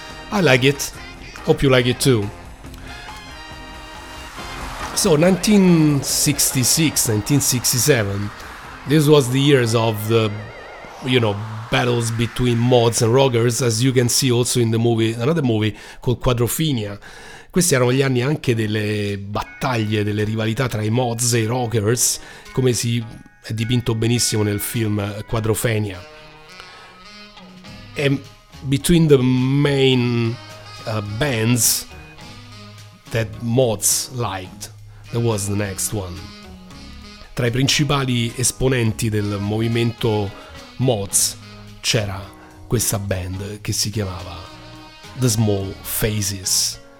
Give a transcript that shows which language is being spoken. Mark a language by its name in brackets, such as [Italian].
[English] I like it, hope you like it too. So 1966, 1967, this was the years of the you know, battles between mods and roggers, as you can see also in the movie, another movie called Quadrophenia. [Italian] Questi erano gli anni anche delle battaglie, delle rivalità tra i mods e i rockers, come si è dipinto benissimo nel film Quadrophenia. [English] E between the main bands that mods liked, there was the next one. [Italian] Tra i principali esponenti del movimento mods c'era questa band che si chiamava The Small Faces.